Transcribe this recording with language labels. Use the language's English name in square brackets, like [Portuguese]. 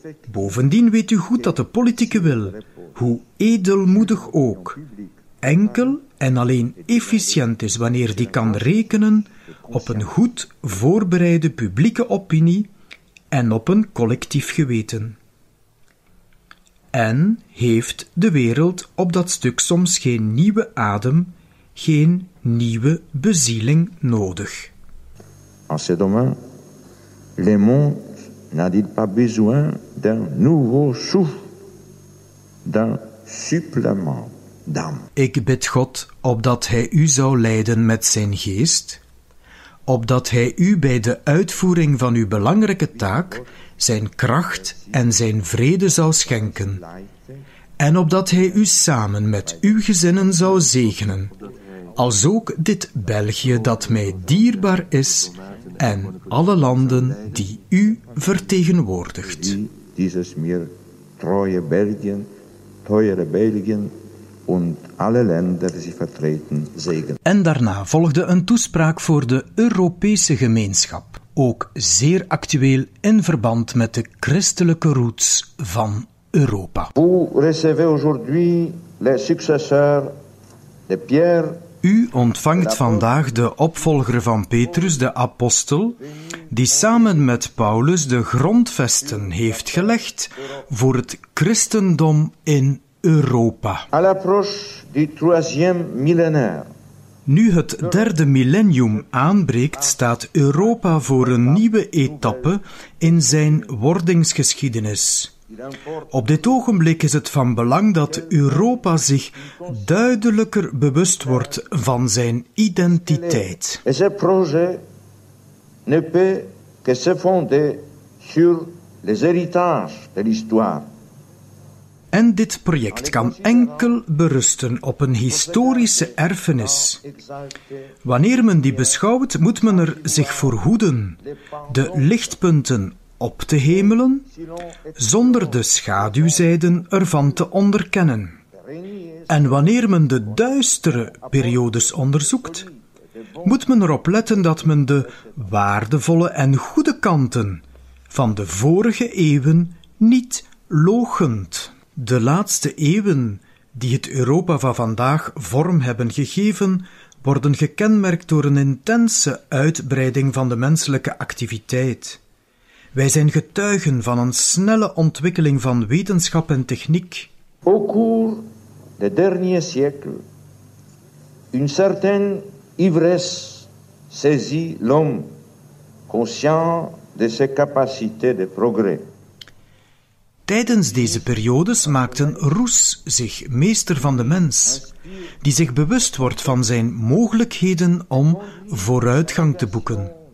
[Dutch] Bovendien weet u goed dat de politieke wil, hoe edelmoedig ook, enkel en alleen efficiënt is wanneer die kan rekenen op een goed voorbereide publieke opinie en op een collectief geweten. En heeft de wereld op dat stuk soms geen nieuwe adem, geen nieuwe bezieling nodig? In dit domein, [French] le monde n'a-t-il pas besoin d'un nouveau souffle? D'un supplément d'âme. [Dutch] Ik bid God opdat Hij u zou leiden met zijn geest, opdat Hij u bij de uitvoering van uw belangrijke taak zijn kracht en zijn vrede zou schenken, en opdat Hij u samen met uw gezinnen zou zegenen, als ook dit België dat mij dierbaar is en alle landen die u vertegenwoordigt. Dieses mir treue België. Heure Belgien en alle landen die ze vertreten zegen. En daarna volgde een toespraak voor de Europese gemeenschap, ook zeer actueel in verband met de christelijke roots van Europa. [French] Vous recevez aujourd'hui les successeurs de Pierre. [Dutch] U ontvangt vandaag de opvolger van Petrus, de apostel, die samen met Paulus de grondvesten heeft gelegd voor het christendom in Europa. [French] À l'approche du troisième millénaire. [Dutch] Nu het derde millennium aanbreekt, staat Europa voor een nieuwe etappe in zijn wordingsgeschiedenis. Op dit ogenblik is het van belang dat Europa zich duidelijker bewust wordt van zijn identiteit. [French] En ce projet ne peut que se fonder sur les héritages de l'histoire. [Dutch] En dit project kan enkel berusten op een historische erfenis. Wanneer men die beschouwt, moet men er zich voor hoeden de lichtpunten op te hemelen, zonder de schaduwzijden ervan te onderkennen. En wanneer men de duistere periodes onderzoekt, moet men erop letten dat men de waardevolle en goede kanten van de vorige eeuwen niet loochent. De laatste eeuwen die het Europa van vandaag vorm hebben gegeven, worden gekenmerkt door een intense uitbreiding van de menselijke activiteit. Wij zijn getuigen van een snelle ontwikkeling van wetenschap en techniek. [French] Au cours des derniers siècles, une certaine ivresse saisit l'homme, conscient de ses capacités de progrès. [Dutch] Tijdens deze periodes maakt een roes zich meester van de mens, die zich bewust wordt van zijn mogelijkheden om vooruitgang te boeken.